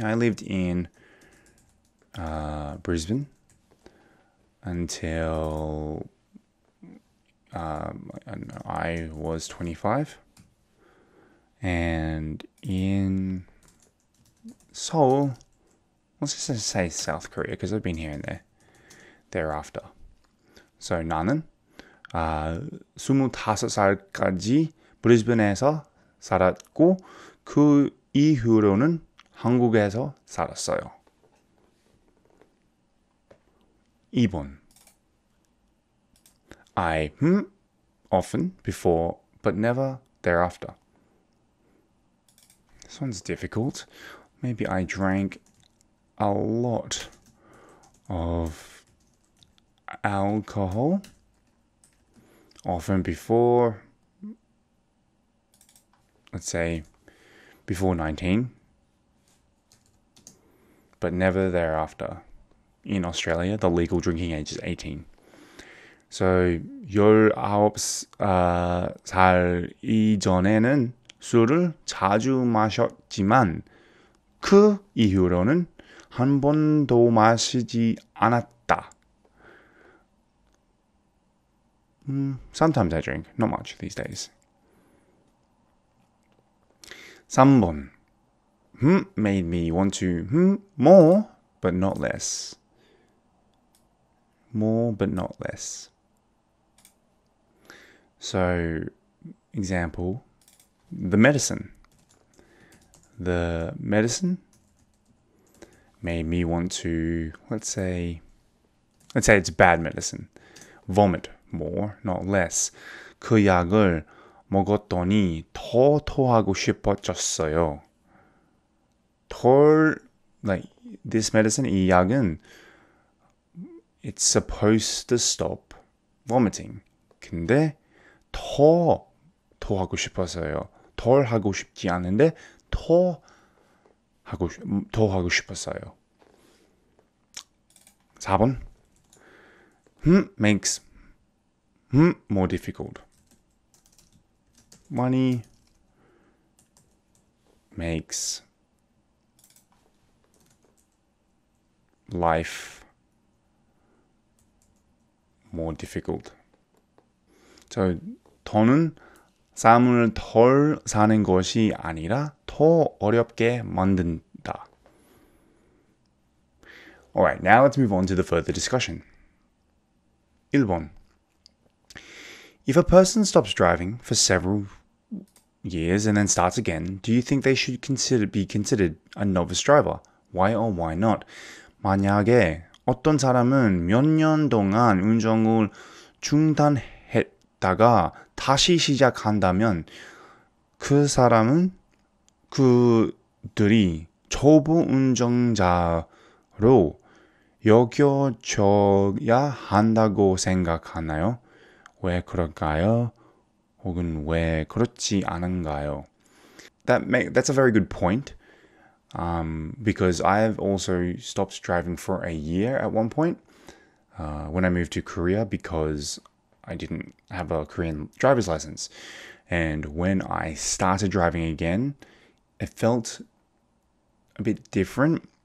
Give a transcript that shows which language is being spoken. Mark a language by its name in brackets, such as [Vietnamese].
[English] I lived in Brisbane until I was 25, and in Seoul, let's just say South Korea, because I've been here and there thereafter. [Korean] So 나는 25살까지 브리즈번에서 살았고 그 이후로는 한국에서 살았어요. 2번. [English] I often before, but never thereafter. This one's difficult. Maybe I drank a lot of alcohol often before, let's say, before 19, but never thereafter. In Australia, the legal drinking age is 18. [Korean] So, 19살 이전에는 술을 자주 마셨지만, 그 이후로는 한 번도 마시지 않았다. [English] Sometimes I drink, not much these days. [Korean] 3번. [English] Made me want to more, but not less. More, but not less. So, example, the medicine. The medicine made me want to, let's say it's bad medicine. Vomit more, not less. [Korean] 그 약을 먹었더니 더 토하고 싶어졌어요. 덜, [English] like, this medicine, [Korean] 이 약은, [English] it's supposed to stop vomiting. [Korean] 근데 더 하고 싶었어요. 덜 하고 싶지 않은데 더 하고 싶었어요. 4번. [English] Makes more difficult. Money makes life more difficult. [Korean] So, 돈은 삶을 덜 사는 것이 아니라 더 어렵게 만든다. [English] Alright, now let's move on to the further discussion. [Korean] 1번. [English] If a person stops driving for several years and then starts again, do you think they should be considered a novice driver? Why or why not? [Korean] 만약에 어떤 사람은 몇 년 동안 운전을 중단했다가 다시 시작한다면 그 사람은 그들이 초보 운전자로 여겨져야 한다고 생각하나요? 왜 그럴까요? 혹은 왜 그렇지 않은가요? [English] That's a very good point. Because I've also stopped driving for a year at one point when I moved to Korea because I didn't have a Korean driver's license. And when I started driving again, it felt a bit different.